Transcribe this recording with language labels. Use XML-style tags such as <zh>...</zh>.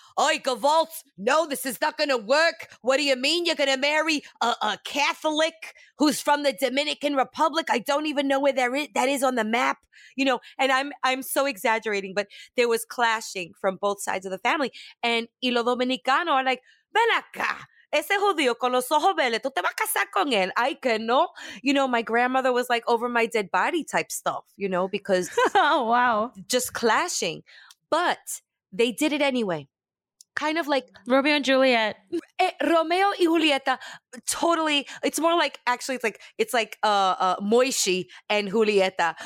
<en>Oy, Gavalt, no, this is not going to work. What do you mean you're going to marry a Catholic who's from the Dominican Republic? I don't even know where that is on the map. You know, and I'm so exaggerating, but there was clashing from both sides of the family. And</en> <es>y los dominicanos</es> <en>are like,</en> <es>ven acá. Ese judío con los ojos verdes, tú te vas a casar con él. Ay, que no.</es> <en>You know, my grandmother was like over my dead body type stuff, you know, because oh, wow. Just clashing. But they did it anyway. Kind of like Romeo and Juliet.</en> <es>Romeo y Julieta,</es> <en>totally. It's more like, actually, it's like Moishi and Julieta.</en>